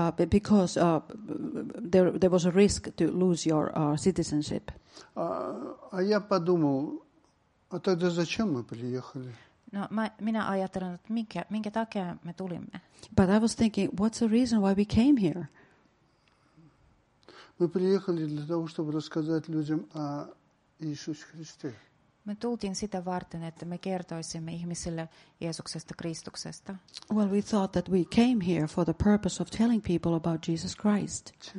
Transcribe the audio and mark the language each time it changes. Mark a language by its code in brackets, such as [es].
[en] Because there was a risk to lose your citizenship. [ru] А я подумал, а тогда зачем мы приехали? [fi] No, minä ajattelin, että minkä takia me tulimme. [en] But I was thinking, what's the reason why we came here? [ru] Мы приехали для того, чтобы рассказать людям о Иисусе Христе. [fi] Me tultiin sitä varten, että me kertoisimme ihmisille Jeesuksesta Kristuksesta. [en] Well, we thought that we came here for the purpose of telling people about Jesus Christ.